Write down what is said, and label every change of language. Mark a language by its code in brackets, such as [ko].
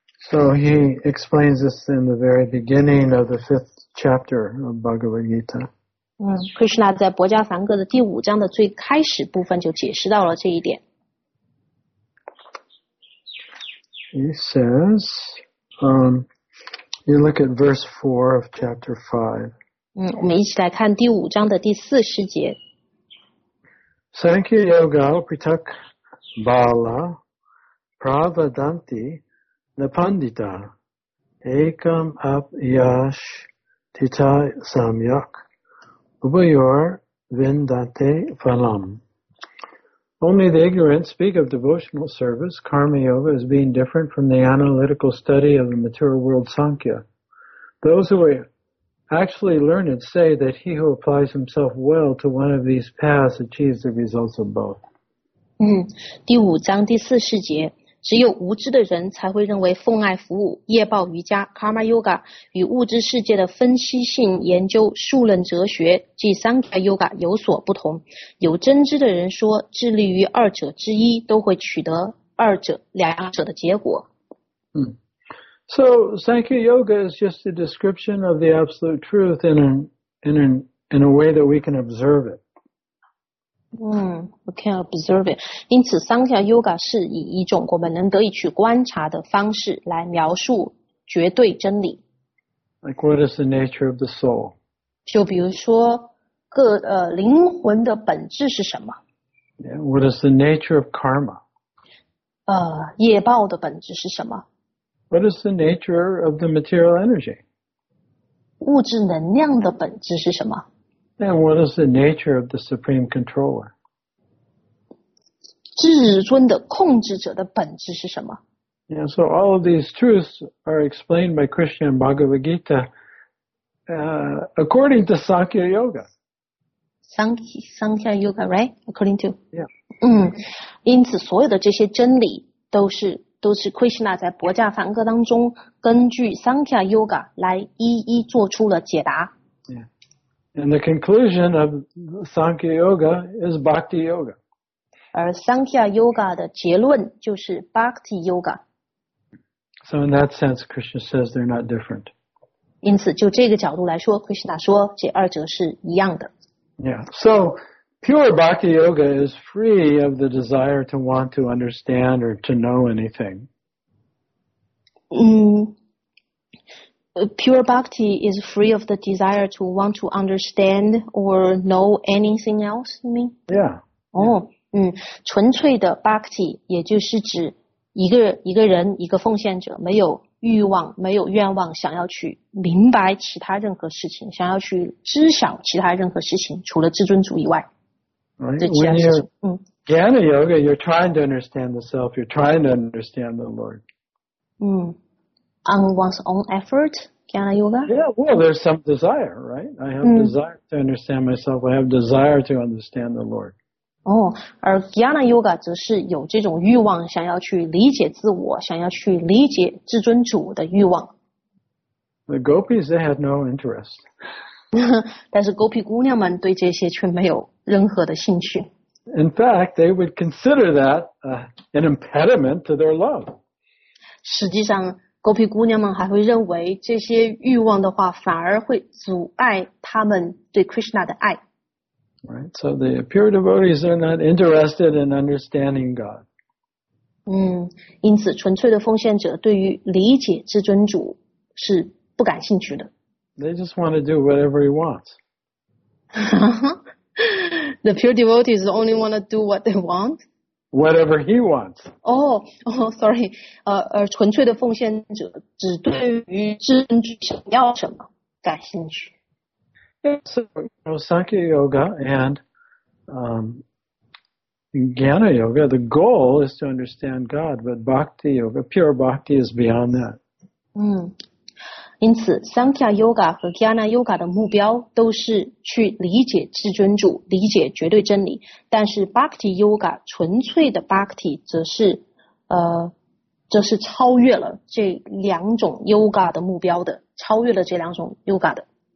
[en] So he explains this in the very beginning of the fifth chapter of Bhagavad Gita. [zh] Krishna 在《博迦梵歌》的第五章的最开始部分就解释到了这一点。 [en] He says, you look at verse 4 of chapter 5. [zh] 我们一起来看第五章的第四十节。 [sa] Sankhya Yoga Pritak. Bala Pravadanti Napandita Ekam Ap Yash Tita Samyak Ubayor Vindate Phalam. [en] Only the ignorant speak of devotional service, karma yoga, as being different from the analytical study of the material world Sankhya. Those who are actually learned say that he who applies himself well to one of these paths achieves the results of both. [zh] 第五章第四十节，只有无知的人才会认为奉爱服务、业报瑜伽 Karma Yoga 与物质世界的分析性研究数论哲学即 Sankhya Yoga 有所不同。有真知的人说，致力于二者之一，都会取得两者的结果。 [en] So Sankhya Yoga is just a description of the absolute truth in a way that we can observe it. Okay, observing. [zh] 因此 Sankhya Yoga 是以一种我们能得以去观察的方式来描述绝对真理。 [en] Like, what is the nature of the soul? [zh] 就比如说灵魂的本质是什么。 [en] Yeah, what is the nature of karma? [zh] 业报的本质是什么。 [en] What is the nature of the material energy? [zh] 物质能量的本质是什么。 [en] And what is the nature of the supreme controller? [zh] 至尊的控制者的本质是什么？ [en] Yeah, so all of these truths are explained by Krishna in Bhagavad Gita, according to Sankhya Yoga. Sankhya Yoga, right? According to? Yeah. [zh] 因此所有的这些真理都是 Krishna 在《薄伽梵歌》当中根据 Sankhya Yoga 来一一做出了解答。 [en] And the conclusion of Sankhya Yoga is Bhakti Yoga. [zh] 而 Sankhya Yoga 的结论就是 Bhakti Yoga. [en] So in that sense, Krishna says they're not different. [zh] 因此就这个角度来说 ,Krishna 说这二者是一样的。 [en] Yeah, so pure Bhakti Yoga is free of the desire to want to understand or to know anything. Pure bhakti is free of the desire to want to understand or know anything else, you mean? Yeah. [zh] 纯粹的 bhakti 也就是指一个人一个奉献者没有欲望没有愿望想要去明白其他任何事情想要去知晓其他任何事情除了至尊主以外。 [en] Right. When you're Jnana Yoga, you're trying to understand the self, you're trying to understand the Lord. On one's own effort, Jnana Yoga? Yeah, well, there's some desire, right? I have desire to understand myself. I have desire to understand the Lord. [zh] Oh, 而 Jnana Yoga 则是有这种欲望想要去理解自我想要去理解至尊主的欲望。 [en] The gopis, they had no interest. [zh] 但是 gopi 姑娘们对这些却没有任何的兴趣。 [en] In fact, they would consider that an impediment to their love. [zh] 实际上狗皮姑娘们还会认为这些欲望的话反而会阻碍他们对 Krishna 的爱。 [en] Right, so the pure devotees are not interested in understanding God. [zh] 因此纯粹的奉献者对于理解至尊主是不感兴趣的。 [en] They just want to do whatever he wants. The pure devotees only want to do what they want. Whatever he wants. Sorry. [zh] 纯粹的奉献者只对于至尊主想要什么感兴趣。 [en] Yeah, so, you know, Sankhya Yoga and Jnana Yoga, the goal is to understand God, but Bhakti Yoga, pure Bhakti is beyond that. [zh] 因此 Sankhya Yoga 和 Jnana Yoga 的目标都是去理解至尊主理解绝对真理但是 Bhakti Yoga 纯粹的 Bhakti 则是超越了这两种 Yoga 的目标的超越了这两种 Yoga 的